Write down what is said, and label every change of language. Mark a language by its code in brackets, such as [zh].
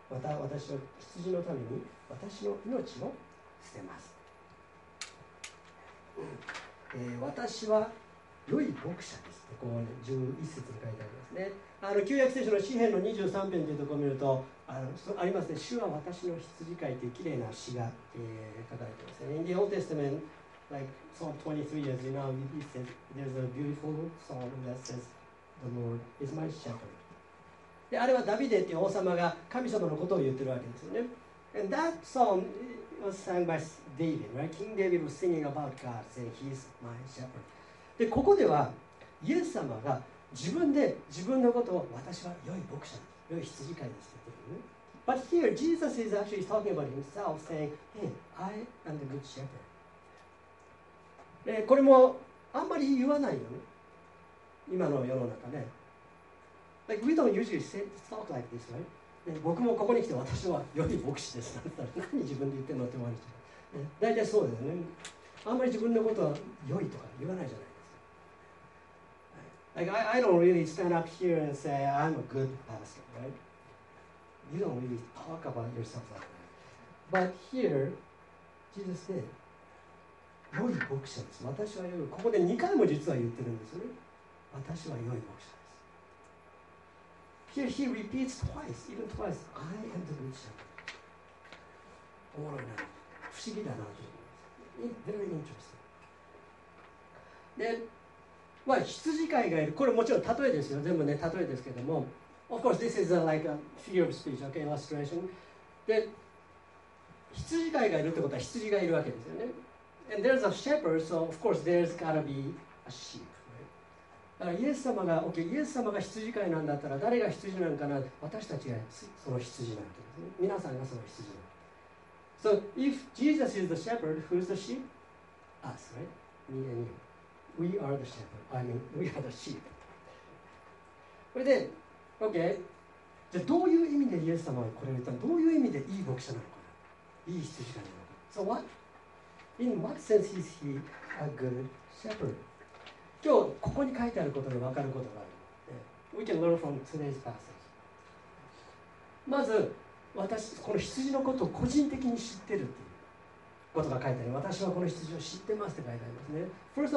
[ja] また私は羊のために私の命を捨てます、私は良い牧者です。ここ、ね、11節に書いてありますね。旧約聖書の詩篇の23編というところを見ると ありますね。主は私の羊飼いという綺麗な詩が、書かれていますね。 [en] In the Old Testament, like Psalm 23, as you know, it says, there's a beautiful psalm that says, The Lord is my shepherd. [ja] で、あれはダビデという王様が神様のことを言っているわけですよね。 [en] And that song was sung by David, right? King David was singing about God, saying, He is my shepherd. [ja] でここではイエス様が自分で自分のことを私は良い牧者、良い羊飼いですと。 [en] But here Jesus is actually talking about himself, saying, "Hey, I am the good shepherd." [ja] これもあんまり言わないよね。今の世の中ね。 [en] Like we don't usually say talk like this, right? [ja] 僕もここに来て私は良い牧師ですだったら何自分で言ってんのって思われちゃう。大体そうですね。あんまり自分のことは良いとか言わないじゃない。 [en] Like, I don't really stand up here and say, I'm a good pastor, right? You don't really talk about yourself like that. But here, Jesus said, [ja] 良い牧者です。私は良い。ここで2回も実は言ってるんですよね。私は良い牧者です。 [en] Here he repeats twice, even twice, I am the good shepherd. [ja] おもろいな。不思議だなと思います。 [en] Very interesting. Then, [ja] まあ、羊飼いがいる。これもちろん例えですよ。全部ね、例えですけども。 [en] Of course, this is a, like a figure of speech, okay, illustration. [ja] で、羊飼いがいるってことは羊がいるわけですよね。 [en] And there's a shepherd, so of course there's gotta be a sheep, right? [ja] イエス様が、okay, イエス様が羊飼いなんだったら誰が羊なんかな、私たちがその羊なんですね。皆さんがその羊なんです。 [en] So if Jesus is the shepherd, who's the sheep? Us, right? Me and you. We are the shepherd. I mean, we are the sheep. [ja] それで、 [en] OK。 [ja] じゃあ、どういう意味でイエス様はこれを言ったの？どういう意味でいい牧者なのかな？いい羊なのかな？ [en] So what? In what sense is he a good shepherd? [ja] 今日、ここに書いてあることで分かることがある。 [en] We can learn from today's passage. [ja] まず、私、この羊のことを個人的に知ってるっていうことが書いてある。私はこの羊を知ってますって書いてありますね。